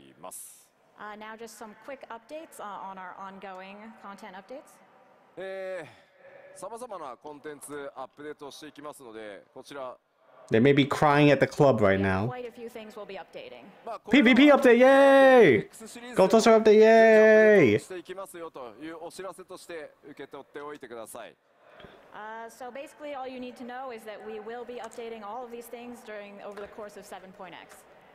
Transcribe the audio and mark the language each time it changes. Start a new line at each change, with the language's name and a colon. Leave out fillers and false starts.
Japanese: さあ、次コンテンツのこう、継続していきますよというお知らせだけしておきます。
English: Now just some quick updates on our ongoing content updates.
Japanese: 様々なコンテンツアップデートしていきますので、こちら
English: They may be crying at the club right now. Quite a few things will be updating. PvP update, yay! Gold Toaster update, yay!
Japanese: していきますよというお知らせとして受け取っておいてください。
English: So basically, all you need to know is that we will be updating all of these things during over the course of 7.x.